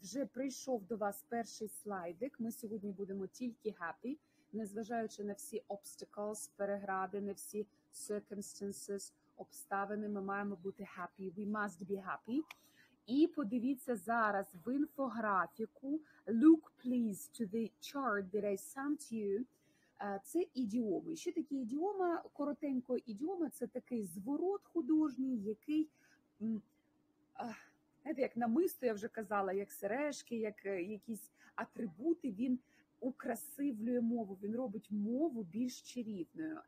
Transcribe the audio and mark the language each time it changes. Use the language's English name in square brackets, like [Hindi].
[Ukrainian] Вже прийшов до вас перший слайдик. Ми сьогодні будемо тільки happy, незважаючи на всі obstacles, перегради, на всі circumstances, обставини. Ми маємо бути happy. [English] We must be happy. [Ukrainian] І подивіться зараз в інфографіку. [English] Look, please, to the chart that I sent you. [Ukrainian] Це ідіоми. Що таке ідіома? Коротенько, ідіома – це такий зворот художній, який, знаєте, як намисто, я вже казала, як сережки, як якісь атрибути, він украсивлює мову, він робить мову більш чарівною.